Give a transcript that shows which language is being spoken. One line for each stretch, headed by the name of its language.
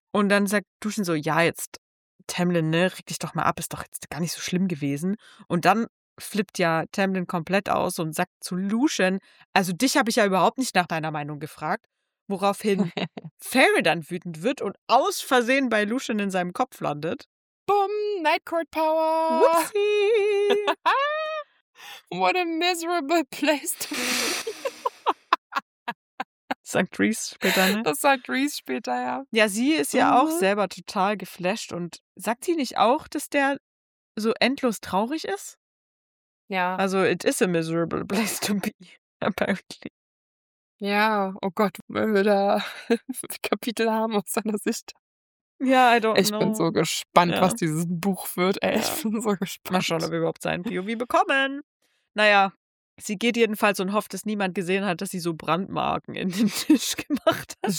German: Und dann sagt Duschen so, ja, jetzt, Tamlin, ne, reg dich doch mal ab, ist doch jetzt gar nicht so schlimm gewesen. Und dann flippt ja Tamlin komplett aus und sagt zu Lucien, also dich habe ich ja überhaupt nicht nach deiner Meinung gefragt. Woraufhin Ferry dann wütend wird und aus Versehen bei Lucien in seinem Kopf landet. Bumm, Nightcourt Power.
English: Whoopsie. What a miserable place to be.
German: Sagt Reese später, ne? Das sagt Reese später, ja. Ja, sie ist ja auch selber total geflasht und sagt sie nicht auch, dass der so endlos traurig ist? Ja.
English: Also, it is a miserable place to be, apparently.
German: Ja, oh Gott, wenn wir da Kapitel haben aus seiner Sicht. Ja,
English: I don't
German: know. Ich bin so gespannt, was dieses Buch wird. Ey, ich bin so gespannt. Mal schauen, ob wir überhaupt seinen POV bekommen. Naja, sie geht jedenfalls und hofft, dass niemand gesehen hat, dass sie so Brandmarken in den Tisch gemacht hat.